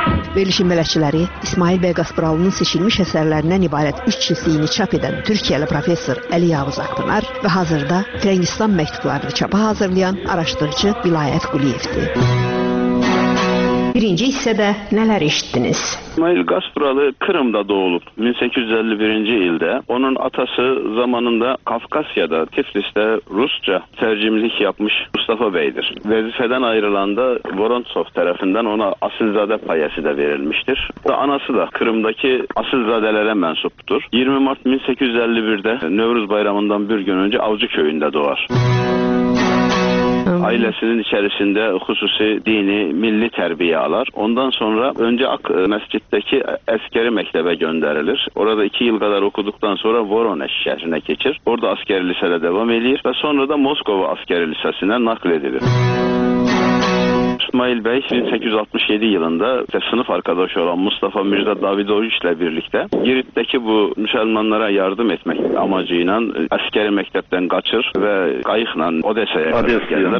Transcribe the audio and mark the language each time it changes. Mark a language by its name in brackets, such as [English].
[Azerbaijani] Belişin mələkçiləri İsmail bəy Qasparalının seçilmiş əsərlərindən ibarət 3 cildliyini çap edən Türkiyəli professor Əli Yavuz Aqpınar və hazırda Frəngistan məktublarını çapa hazırlayan araşdırıcı Vilayət Quliyevdir. Birinci hissədə nələr eşitdiniz? İsmail Qasparalı Kırım'da doğulub 1851-ci ildə. Onun atası zamanında Kafkasya'da, Tiflisdə Rusça tərcimlik yapmış Mustafa bəydir. Vəzifədən ayrılanda Vorontsov tərəfindən ona asilzadə payəsi də verilmişdir. O, anası da Kırım'dakı asilzadələrə mənsubdur. 20 Mart 1851-də Növruz bayramından bir gün öncə Avcıköyündə doğar. Ailəsinin içərisində xüsusi dini, milli tərbiyə alar. Ondan sonra öncə Ak məsciddəki əskəri məktəbə göndərilir. Orada 2 il qədər okuduqdan sonra Voronej şəhərinə keçir. Orada əskəri lisədə davam edir və sonra da Moskova əskəri lisəsinə nakl edilir. [Turkish] İsmail bəy 1867 yılında sınıf arkadaşı olan Mustafa Mirza Davidoviç ile birlikte Girit'teki bu Müslümanlara yardım etmek amacıyla askeri mektepten kaçır ve kayıkla Odessa'ya gelirler.